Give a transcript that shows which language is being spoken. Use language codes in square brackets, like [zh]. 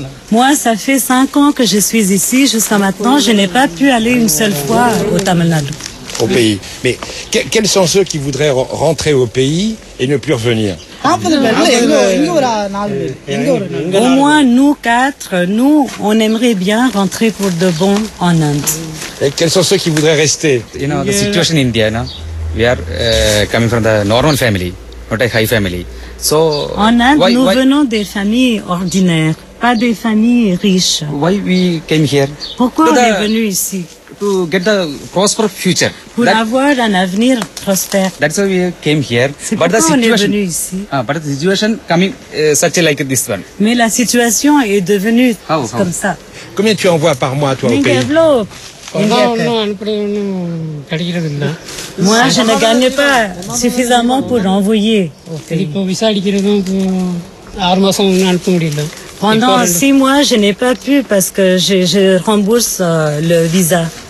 [fr] Moi, ça fait 5 ans que je suis ici. Jusqu'à maintenant, je n'ai pas pu aller une seule fois au Tamil Nadu. Au pays. Mais quels sont ceux qui voudraient rentrer au pays et ne plus revenir? Au moins, nous quatre, nous, on aimerait bien rentrer pour de bon en Inde. Et quels sont ceux qui voudraient rester? [en] You know, the situation in India, no? We are coming from the normal family, not a high family. So, [fr] en Inde, nous venons des familles ordinaires, pas des familles riches. [en] Why we came here? [fr] Pourquoi on est venu ici? [en] To get the prosperous future. [fr] Pour avoir un avenir prospère. [en] That's why we came here. [fr] C'est pourquoi on est venu ici. [en] But the situation coming such like this one. [fr] Mais la situation est devenue comme ça. Combien tu envoies par mois, toi, au pays? Moi, je ne gagne pas suffisamment pour envoyer. Pendant 6 mois, je n'ai pas pu parce que je rembourse le visa.